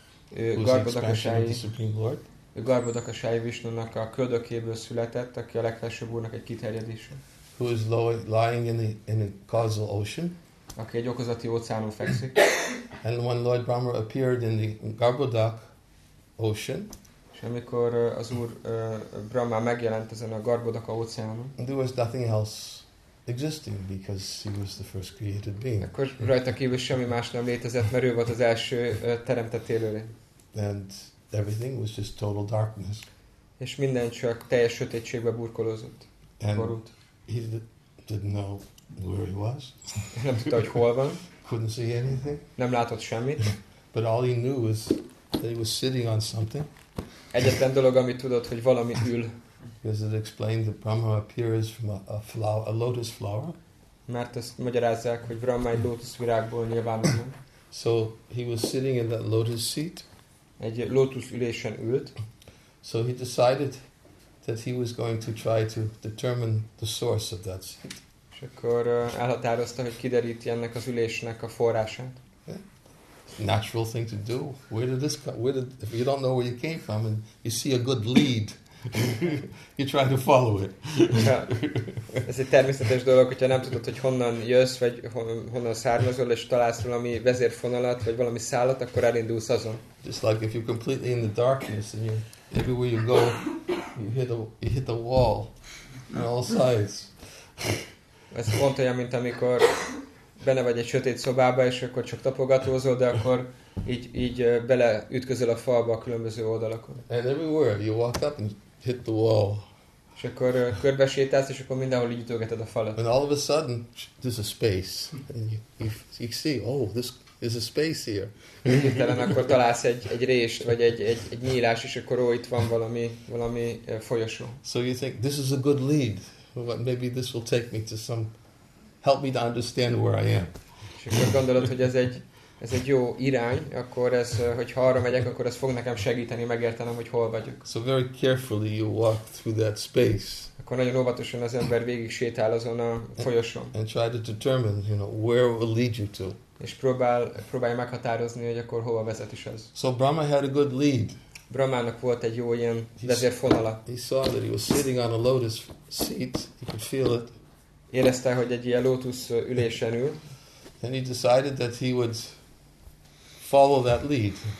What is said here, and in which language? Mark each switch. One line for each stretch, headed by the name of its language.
English: who's the expansion of the Supreme Lord.
Hungarian: Ő Garbhodakshaya Vishnunak a köldökéből született, aki a legfelsőbb úrnak egy kiterjedése.
English: Who is lying in the causal ocean?
Hungarian: Aki egy okozati óceánon fekszik.
English: And when Lord Brahma appeared in the Garbhodak ocean,
Hungarian: és amikor az Úr Brahma megjelent ezen a Garbhodaka óceánon,
English: there was nothing else existing because he was the first created being.
Hungarian: Akkor rajta kívül semmi más nem létezett, mert ő volt az első teremtett élőlény.
English: And everything was just total darkness.
Hungarian: És minden csak teljes sötétségbe burkolózott.
English: And
Hungarian: borult.
English: He didn't know where he was.
Hungarian: Nem tudta, hogy hol van.
English: Couldn't see anything.
Hungarian: Nem látott semmit.
English: But all he knew was that he was sitting on something.
Hungarian: Egyetlen dolog, amit tudott, hogy valami ül.
English: Because it explained that Brahma appears from a flower, a lotus flower.
Hungarian: Mert ezt magyarázzák, hogy Brahma egy lótuszvirágból nyilvánul.
English: So he was sitting in that lotus seat.
Hungarian: Egy lótusz ülésen ült.
English: So he decided that he was going to try to determine the source of that seat.
Hungarian: És akkor elhatározta, hogy kideríti ennek az ülésnek a forrását.
English: Yeah. Natural thing to do. Where did this come? Where did, if you don't know where you came from and you see a good lead, you try to follow it.
Hungarian: Ja. Ez egy természetes dolog, hogyha nem tudod, hogy honnan jössz, vagy honnan származol, és találsz valami vezérfonalat, vagy valami szállat, akkor elindulsz azon.
English: Just like if you're completely in the darkness, and you, everywhere you go, you hit the wall on all sides.
Hungarian: Ez pont olyan, mint amikor benne vagy egy sötét szobába, és akkor csak tapogatózol, de akkor így beleütközöl a falba a különböző oldalakon.
English: And everywhere you walk up and hit the wall.
Hungarian: És akkor körbesétálsz, és akkor mindenhol így ütögeted a falat.
English: And all of a sudden, there's a space. And you see, oh, this is a space here.
Hungarian: Hirtelen akkor találsz egy rést, vagy egy nyílás, és akkor ó, itt van valami folyosó.
English: So you think, this is a good lead. But maybe this will take me to some, help me to understand where I am.
Hungarian: És akkor gondolod, hogy ez egy jó irány, akkor ez, hogyha arra megyek, akkor ez fog nekem segíteni megértenem, hogy hol vagyok.
English: So very carefully you walk through that space.
Hungarian: Akkor nagyon óvatosan az ember végig sétál azon a folyosón.
English: And try to determine, you know, where it will lead you to.
Hungarian: És próbálj meghatározni, hogy akkor hova vezet is ez.
English: So Brahma had a good lead.
Hungarian: Brahmának volt egy jó ilyen vezérfonala.
English: He saw that he was sitting on a lotus seat. He could feel it.
Hungarian: Érezte, hogy egy ilyen lótusz ülésen ül.
English: And he decided that he would follow that lead.